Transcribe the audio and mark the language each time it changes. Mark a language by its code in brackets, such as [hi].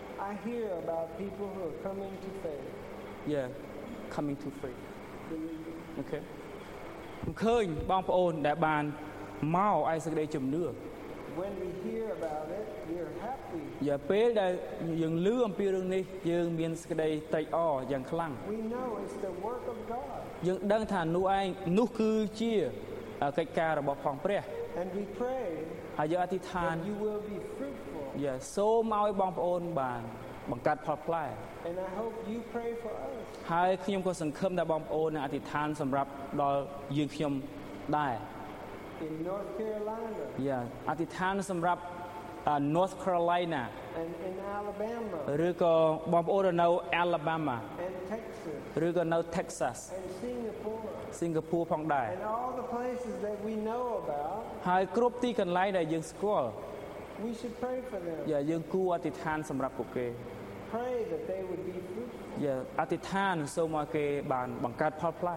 [en] I hear about people who are coming to faith. Yeah, coming to faith. Okay. [km] យើងឃើញបងប្អូនដែលបានមកឯសេចក្តីជំនឿ [en] When we hear about it, we are happy. [km] យ៉ាពេលដែលយើងឮអំពីរឿងនេះយើងមានសេចក្តីត្រេកអរយ៉ាងខ្លាំង [en] We know it's the work of God. [km] យើងដឹងថានោះឯងនោះគឺជាកិច្ចការរបស់ផងព្រះ [en] And we pray. [km] ហើយយើងអធិដ្ឋាន [en] You will be fruitful. [km] យ៉ាសូមឲ្យបងប្អូនបានបង្កើតផលផ្លែ [en] And I hope you pray for us. [km] ហើយខ្ញុំក៏សង្ឃឹមថាបងប្អូននឹងអធិដ្ឋានសម្រាប់ដល់យើងខ្ញុំដែរ [en] in North Carolina. [km] Yeah, អធិដ្ឋានសម្រាប់ North Carolina. [en] And in Alabama. [km] ឬក៏បងប្អូននៅ Alabama. [en] And Texas. [km] ឬក៏នៅ Texas. [en] And Singapore. [km] Singapore ផងដែរ. [en] And all the places that we know about. [km] ហើយគ្រប់ទីកន្លែងដែលយើងស្គាល់ [en] We should pray for them. [km] Yeah, យើងគួរអធិដ្ឋានសម្រាប់ពួកគេ. [en] Pray that they would be fruitful. [km] Yeah, អធិដ្ឋានសូមឲ្យគេបានបង្កើតផលផ្លែ.